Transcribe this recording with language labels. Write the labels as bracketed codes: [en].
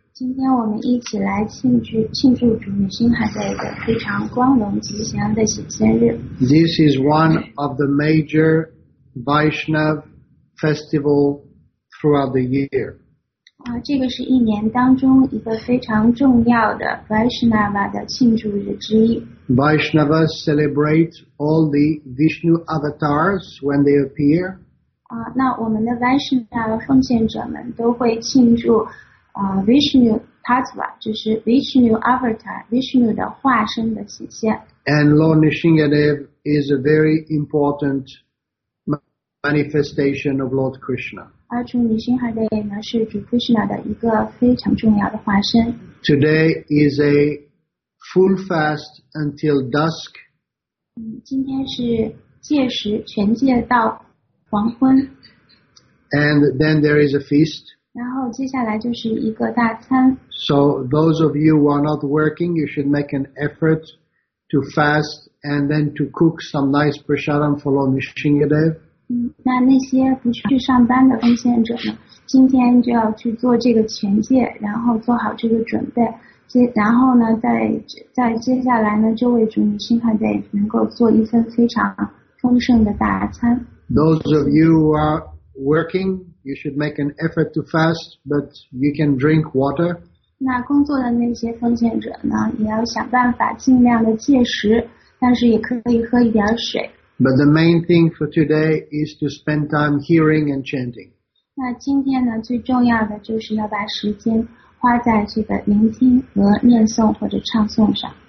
[zh] 今天我们一起来庆祝主女星海的一个非常光荣吉祥的喜生日。 [en] This is one of the major Vaishnav festival throughout the year. [zh] 这个是一年当中一个非常重要的 Vaishnava 的庆祝日之一。 [en] Vaishnavas celebrate all the Vishnu avatars when they appear. [zh] 那我们的 Vaishnava 奉献者们都会庆祝Vishnu Tattva, 就是 Vishnu Avatar, Vishnu 的化身的显现。 [en] And Lord Nrisimhadev is a very important manifestation of Lord Krishna. [zh] 主女星海贝呢是主 Krishna 的一个非常重要的化身。 [en] Today is a full fast until dusk. [zh] 今天是戒食，全戒到黄昏。 [en] And then there is a feast. [zh] 然后接下来就是一个大餐。 [en] So those of you who are not working, you should make an effort to fast and then to cook some nice prasadam for Lord Nrisimhadev. [zh] 那些不去上班的奉献者呢，今天就要去做这个全戒，然后做好这个准备。然后呢，在接下来呢，就为主Nrisimhadev能够做一份非常丰盛的大餐。 [en] Those of you who are working,You should make an effort to fast, but you can drink water. [zh] 那工作的那些奉献者呢，也要想办法尽量的戒食，但是也可以喝一点水。 [en] But the main thing for today is to spend time hearing and chanting. [zh] 那今天呢，最重要的就是要把时间花在这个聆听和念诵或者唱诵上。